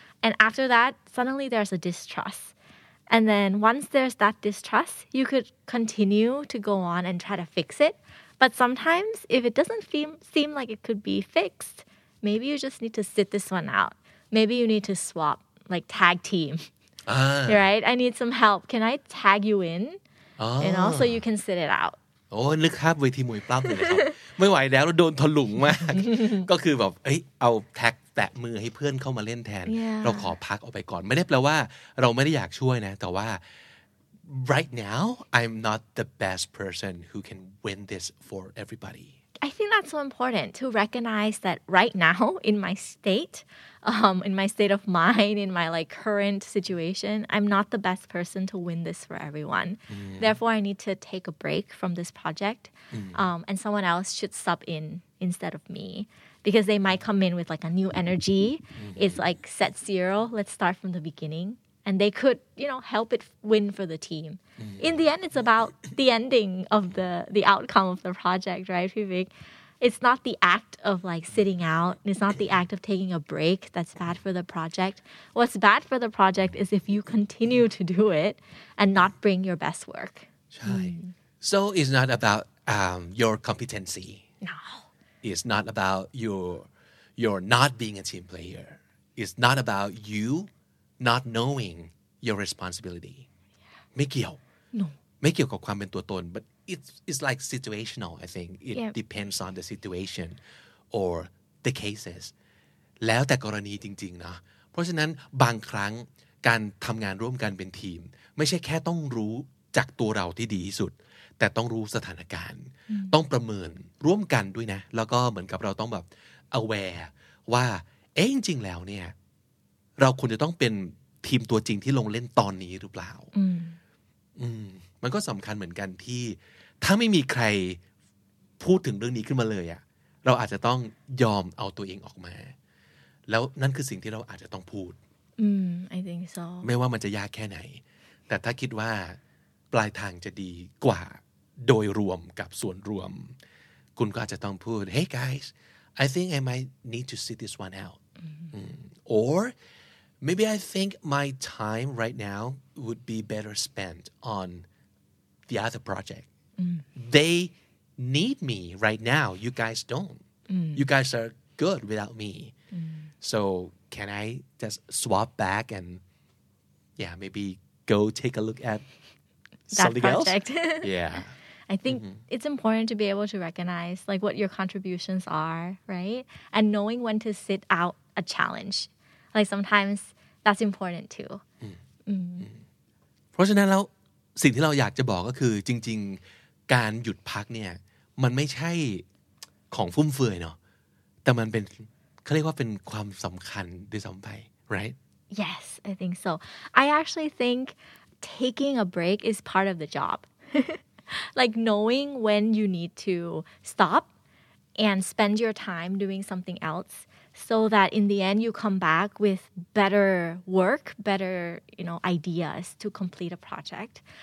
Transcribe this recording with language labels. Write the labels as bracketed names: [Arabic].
[English] And after that, suddenly there's a distrust. And then once there's that distrust, you could continue to go on and try to fix it. But sometimes if it doesn't seem like it could be fixed, maybe you just need to sit this one out. Maybe you need to swap, like tag team. Right? I need some help. Can I tag you in? And also you can sit it out. [Thai] Oh, นึกครับเวทีมวยปล้ำเลยครับไม่ไหวแล้วเราโดนถลุงมากก็คือแบบเอ้ยเอาแท็กแตะมือให้เพื่อนเข้ามาเล่นแทน [English] yeah. [Thai] เราขอพักออกไปก่อนไม่ได้แปลว่าเราไม่ได้อยากช่วยนะแต่ว่า [English] right now I'm not the best person who can win this for everybody I think that's so important to recognize that right now in my state, in my state of mind, in my like current situation, I'm not the best person to win this for everyone. Mm. Therefore, I need to take a break from this project, and someone else should sub in instead of me. Because they might come in with like a new energy. Mm-hmm. It's like set zero. Let's start from the beginning. And they could, you know, help it win for the team. Mm-hmm. In the end, it's about the ending of the outcome of the project, right, Vivek? It's not the act of like sitting out. It's not the act of taking a break that's bad for the project. What's bad for the project is if you continue to do it and not bring your best work. So it's not about your competency. No. It's not about your not being a team player. It's not about you not knowing your responsibility. [Thai] ไม่เกี่ยว [English] No. [Thai] ไม่เกี่ยวกับความเป็นตัวตน [English] but it's like situational I think. It depends on the situation or the cases. [Thai] แล้วแต่กรณีจริงๆนะเพราะฉะนั้นบางครั้งการทำงานร่วมกันเป็นทีมไม่ใช่แค่ต้องรู้จากตัวเราที่ดีที่สุดแต่ต้องรู้สถานการณ์ ต้องประเมินร่วมกันด้วยนะแล้วก็เหมือนกับเราต้องแบบ aware ว่าเอ๊ะจริงๆแล้วเนี่ยเราควรจะต้องเป็นทีมตัวจริงที่ลงเล่นตอนนี้หรือเปล่า มันก็สำคัญเหมือนกันที่ถ้าไม่มีใครพูดถึงเรื่องนี้ขึ้นมาเลยอ่ะเราอาจจะต้องยอมเอาตัวเองออกมาแล้วนั่นคือสิ่งที่เราอาจจะต้องพูด [English] I think so [Thai] ไม่ว่ามันจะยากแค่ไหนแต่ถ้าคิดว่าปลายทางจะดีกว่าโดยรวมกับส่วนรวมคุณก็อาจจะต้องพูด [English] Hey guys I think I might need to sit this one out or maybe I think my time right now would be better spent on the other project they need me right now you guys don't you guys are good without me so can I just swap back and yeah maybe go take a look atSomething else? Yeah. I think it's important to be able to recognize like what your contributions are, right? And knowing when to sit out a challenge. Like sometimes that's important too. [Thai] เพราะฉะนั้นแล้วสิ่งที่เราอยากจะบอกก็คือจริงๆการหยุดพักเนี่ยมันไม่ใช่ของฟุ่มเฟือยเนาะแต่มันเป็นเขาเรียกว่าเป็นความสำคัญด้วยซ้ำไป right? [English] Yes, I think so. I actually thinkTaking a break is part of the job. like knowing when you need to stop and spend your time doing something else so that in the end you come back with better work, better, you know, ideas to complete a project.